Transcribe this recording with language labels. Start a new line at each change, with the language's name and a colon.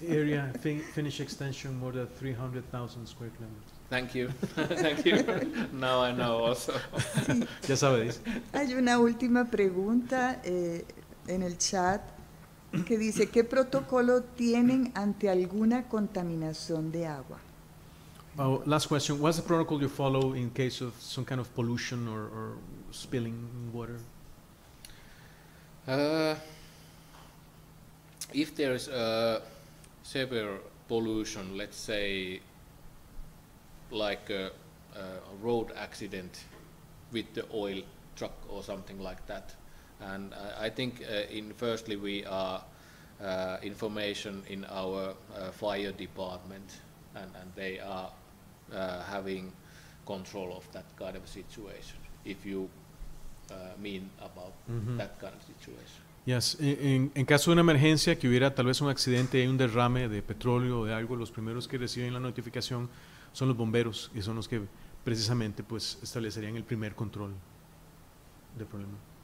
English: Area, Finnish extension, more than 300,000 square kilometers. Thank you. Now I know also.
Spanish: Ya sabéis. Hay una última pregunta en el chat que dice, ¿qué protocolo tienen ante alguna contaminación de agua?
English: Oh, last question. What's the protocol you follow in case of some kind of pollution or spilling water? If there is a severe pollution, let's say like a road accident with the oil truck or something like that, and I think firstly we are information in our fire department, and they are having control of that kind of situation, if you mean about mm-hmm. that kind of situation.
Spanish: Yes, en caso de una emergencia, que hubiera tal vez un accidente, hay un derrame de petróleo o de algo, los primeros que reciben la notificación son los bomberos, y son los que precisamente pues establecerían el primer control del problema.